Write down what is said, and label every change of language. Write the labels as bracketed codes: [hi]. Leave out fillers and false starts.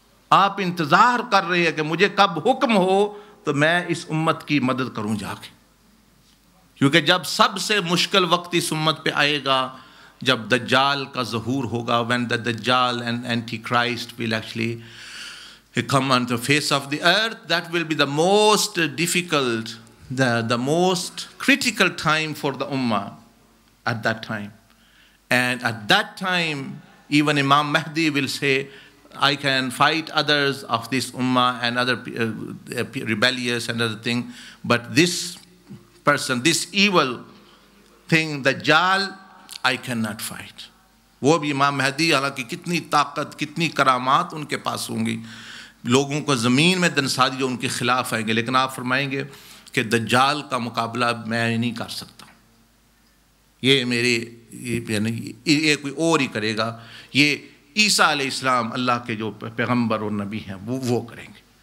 [ur] آپ انتظار کر رہے ہیں کہ مجھے کب حکم ہو تو میں اس امت کی مدد کروں جا کے، کیونکہ جب سب سے مشکل وقت اس امت پہ آئے گا، جب دجال کا ظہور ہوگا، [en] When the دجال and antichrist will actually come on the face of the earth, that will be the most difficult, the most critical time for the امہ at that time. And at that time even امام مہدی will say I can fight others of this ummah and other rebellious and other thing, but this person, this evil thing, Dajjal, I cannot fight. [ur] وہ بھی امام مہدی، حالانکہ کتنی طاقت، کتنی کرامات ان کے پاس ہوں گی، لوگوں کو زمین میں دنسا دی جو ان کے خلاف آئیں گے، لیکن آپ فرمائیں گے کہ دجال کا مقابلہ میں نہیں کر سکتا، یہ میری یہ کوئی اور ہی کرے گا، یہ عیسیٰ علیہ السلام اللہ کے جو پیغمبر اور نبی ہیں وہ کریں گے.